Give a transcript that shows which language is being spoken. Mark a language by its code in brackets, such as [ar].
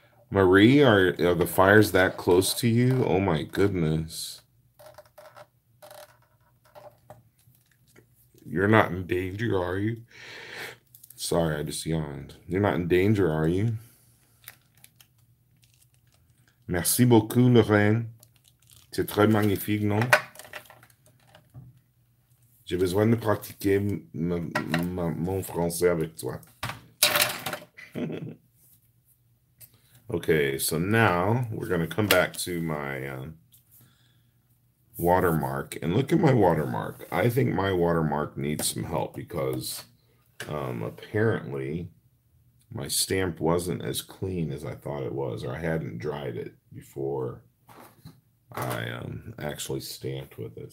[en] Marie, are the fires that close to you? Oh my goodness. You're not in danger, are you? Sorry, I just yawned. You're not in danger, are you? [fr] Merci beaucoup, Lorraine. C'est très magnifique, non? J'ai besoin de pratiquer mon français avec toi. [en] Okay, so now we're going to come back to my watermark. And look at my watermark. I think my watermark needs some help because apparently my stamp wasn't as clean as I thought it was, or I hadn't dried it before I actually stamped with it.